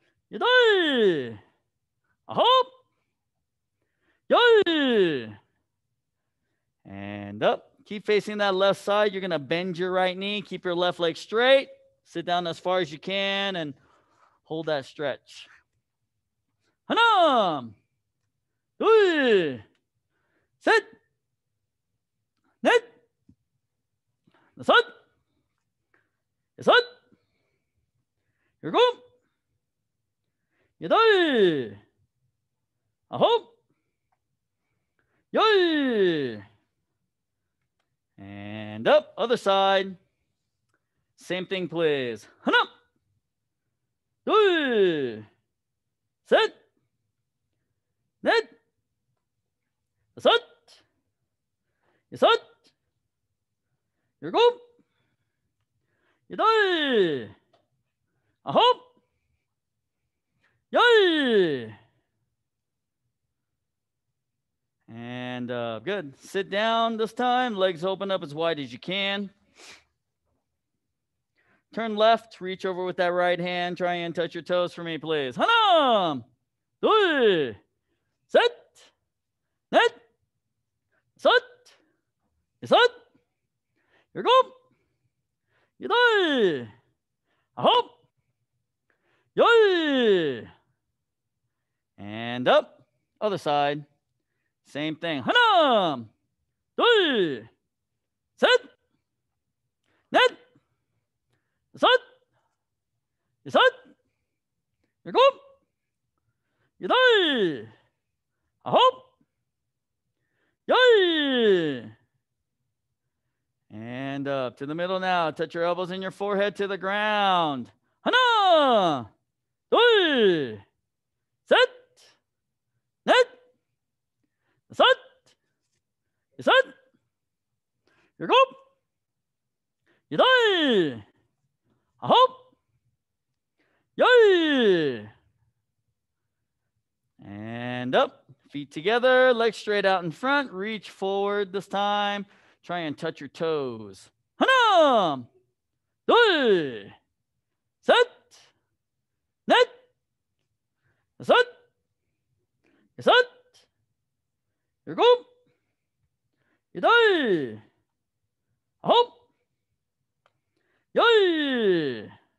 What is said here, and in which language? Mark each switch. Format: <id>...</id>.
<en>Yadai! Ahop! Yay! And up. Keep facing that left side. You're going to bend your right knee. Keep your left leg straight. Sit down as far as you can and hold that stretch.</en> <ko>하나, 둘, 셋, 넷, 다섯, 여섯, 일곱, 여덟, 아홉, 열.</ko> <en>And up, other side. Same thing, please.</en> <ko>하나, 둘, 셋, 넷, 다섯, 여섯, 일곱, 여덟, 아홉, 열.</ko> <en>And good. Sit down this time. Legs open up as wide as you can. Turn left, reach over with that right hand. Try and touch your toes for me, please.</en> <ko>하나, 둘, 셋, 넷, 다섯, 여섯, 일곱, 여덟, 아홉, 열.</ko> <en>And up, other side. Same thing.</en> <ko>하나, 둘, 셋, 넷, 다섯, 여섯, 일곱, 여덟, 아홉, 열.</ko> <en>And up to the middle now. Touch your elbows and your forehead to the ground.</en> <ko>하나, 둘, 셋, 넷, 다섯, 여섯, 일곱, 여덟, 아홉, 열.</ko> <en>And up, feet together, legs straight out in front. Reach forward this time. Try and touch your toes.</en> <ko>하나, 둘, 셋, 넷, 다섯, 여섯, 일곱, 여덟, 아홉, 열.</ko>